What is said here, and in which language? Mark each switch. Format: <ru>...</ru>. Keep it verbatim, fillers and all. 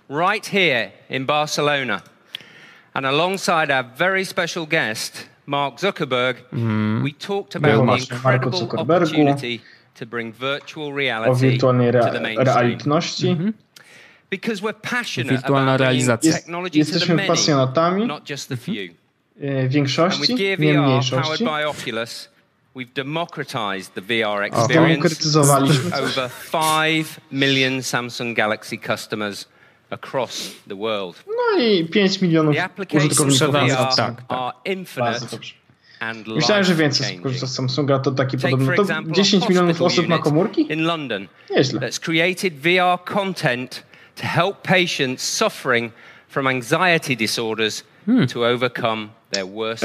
<en>Right here in Barcelona, and alongside our very special guest, Mark Zuckerberg, mm. we talked about the incredible opportunity to bring virtual reality rea- to the mainstream. Mm-hmm. Because we're passionate about bringing technology to the many, not just the few.</en> <pl>E, większości, nie mniejszości.</pl> <en>Powered by Oculus, we've democratized the V R experience over five million Samsung Galaxy customers across the world.</en> <pl>No i pięć milionów użytkowników</pl> <en>V R</en> <pl>tak,</pl> <en>are infinite and life.</en> <pl>Myślałem, że więcej korzysta z Samsunga, to taki podobny. To dziesięć milionów osób ma komórki?</pl> <en>In London.</en> <pl>Nieźle.</pl> <en>That's created V R content to help patients suffering from anxiety disorders hmm. to overcome their worst</en>